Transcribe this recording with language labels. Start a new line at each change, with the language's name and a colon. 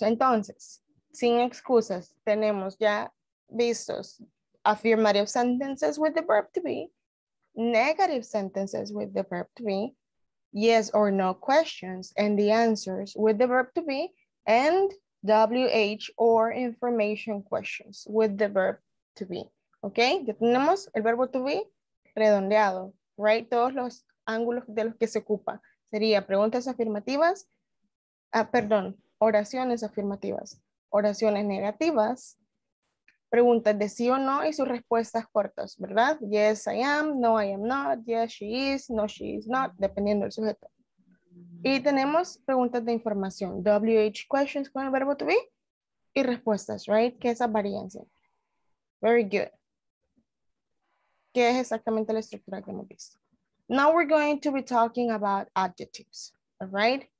Spanish: Entonces, sin excusas, tenemos ya vistos
English: affirmative sentences with the verb to be, negative sentences with the verb to be, yes or no questions, and the answers with the verb to be, and WH or information questions with the verb to be.
Spanish: Okay, ya tenemos el verbo to be redondeado, right? Todos los ángulos de los que se ocupa. Sería preguntas afirmativas, perdón, oraciones afirmativas, oraciones negativas, preguntas de sí o no y sus respuestas cortas, ¿verdad?
English: Yes, I am, no, I am not, yes, she is, no, she is not,
Spanish: dependiendo del sujeto. Y tenemos preguntas de información, WH questions con el verbo to be y respuestas, right? Que esas varían, sí.
English: Very good.
Spanish: ¿Qué es exactamente la estructura que hemos visto?
English: Now we're going to be talking about adjectives, all right?